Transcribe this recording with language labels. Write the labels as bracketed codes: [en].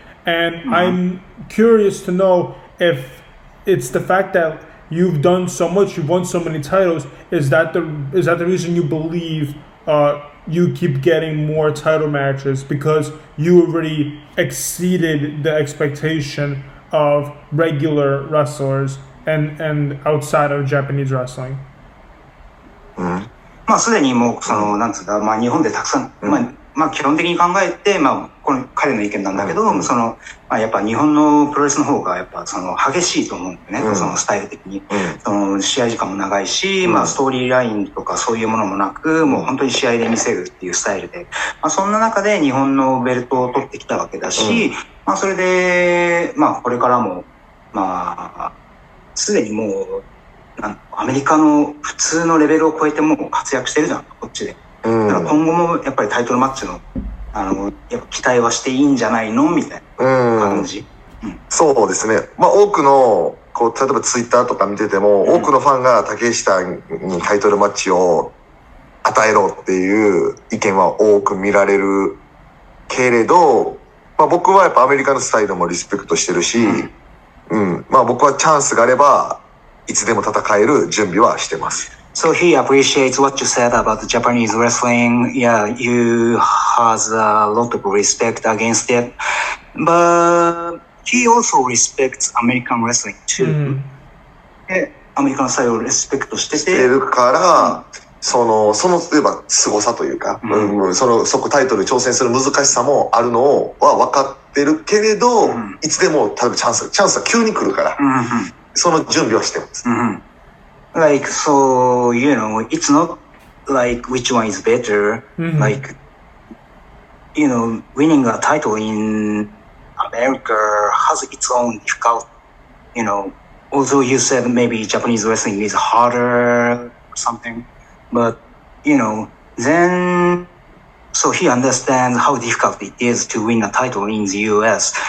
[en] And I'm curious to know if it's the fact that you've done so much, you've won so many titles, is that the reason you believe you keep getting more title matches, because you already exceeded the expectation of regular wrestlers and outside of Japanese wrestling? [ja] まあ、すでにもうそのなんつうか、まあ、日本でたくさん、まあまあ、基本的に考えて、まあ、この彼の意見なんだけど、その、まあ、やっぱ日本のプロレスの方がやっぱその激しいと思うんだよね、そのスタイル的に。その試合時間も長いし、まあ、ストーリーラインとかそういうものもなく、もう本当に試合で見せるっていうスタイルで、まあ、そんな中で日本のベルトを取ってきたわけだし、まあ、それで、まあ、これからも、まあ、すでにもう、アメリカの普通のレベルを超えてもう活躍してるじゃん、こっちで。だから今後もやっぱりタイトルマッチ の, やっぱ期待はしていいんじゃないのみたいな感じ、うん、そうですね、まあ、多くのこう例えばツイッターとか見てても、うん、多くのファンが竹下にタイトルマッチを与えろっていう意見は多く見られるけれど、まあ、僕はやっぱアメリカのスタイルもリスペクトしてるし、うんうん、まあ、僕はチャンスがあればいつでも戦える準備はしてます。 [en] So he appreciates what you said about the Japanese wrestling. Yeah, you has a lot of respect against it. But he also respects American wrestling too. Mm-hmm. [ja] アメリカのスタイルをリスペクトしてて。してるから、その例えば凄さというか、mm-hmm. そこタイトル挑戦する難しさもあるのは分かってるけれど、mm-hmm. いつでも例えばチャンスは急に来るから、 mm-hmm. その準備はしてます。 Mm-hmm. [en] Like, so, you know, it's not like which one is better,、mm-hmm. like, you know, winning a title in America has its own difficult, you know, although you said maybe Japanese wrestling is harder or something, but, you know, then, so he understands how difficult it is to win a title in the US.